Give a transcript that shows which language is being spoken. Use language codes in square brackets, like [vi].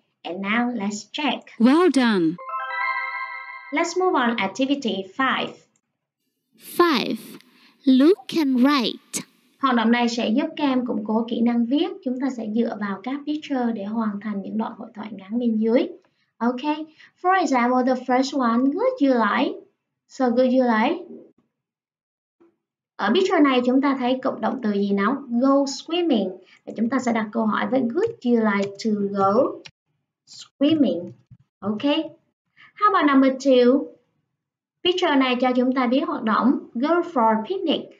[en] And now let's check. Well done. Let's move on activity 5. 5. Look and write. [vi] Hoạt động này sẽ giúp các em củng cố kỹ năng viết. Chúng ta sẽ dựa vào các picture để hoàn thành những đoạn hội thoại ngắn bên dưới. [en] Okay, for example, the first one, would you like? So, would you like? [vi] Ở picture này, chúng ta thấy cụm động từ gì nào? [en] Go swimming. [vi] Và chúng ta sẽ đặt câu hỏi với [en] would you like to go swimming? [vi] Okay. [en] How about number two? [vi] Picture này cho chúng ta biết hoạt động go for picnic.